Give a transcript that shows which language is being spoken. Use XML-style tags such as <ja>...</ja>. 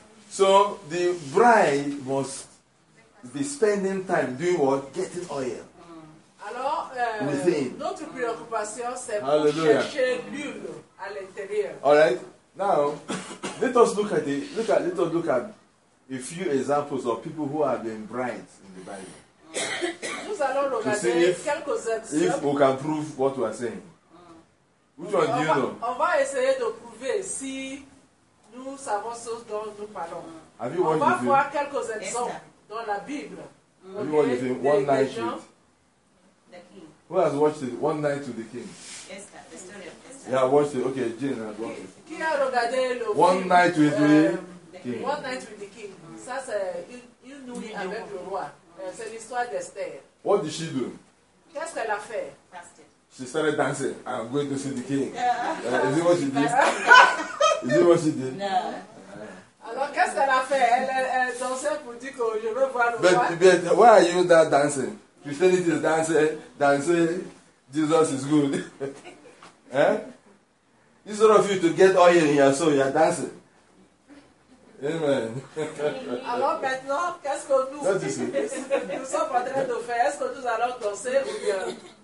<en>So, the bride must be spending time doing what? Getting oil.</en> <fr>Alors, within. Notre préoccupation, c'est pour chercher l'huile à l'intérieur.</fr> <en>All right. Now, let us look at a few examples of people who have been brides in the Bible.</en> <fr>Nous allons regarder quelques exemples.</fr> <en>If we can prove what we are saying. Which one do you know?</en> <fr>On va essayer de prouver si nous savons ce dont nous parlons.</fr> <en>Have you watched</en> <fr>on va voir quelques exemples. Dans la Bible.</fr> <en>Okay. Who was it? One night to the king. Who has watched it? One night to the king. Esther, the story of Esther. Yeah, I watched it. Okay, Jane, I watched it.</en> <fr>Qui a regardé le</fr> <en>one</en> <fr>film,</fr> <en>night with the king. One night with the king.</en> <fr>Ça c'est une nuit avec le roi. C'est l'histoire d'Esther.</fr> <en>What did she do?</en> <fr>Qu'est-ce qu'elle a fait?</fr> <en>She started dancing. I'm going to see the king. Yeah. Is it what she did? Is it what she did? No.</en> <fr>Alors, qu'est-ce qu'elle a fait? Elle dansait pour dire que je veux voir le roi.</fr> <en>But why are you that dancing? Christianity is dancing, Jesus is good. Eh? Instead of you to get oil in your soul, you are dancing. Amen.</en> <fr>Alors maintenant, qu'est-ce que nous sommes en train de faire? Est-ce que nous allons danser ou bien?</fr>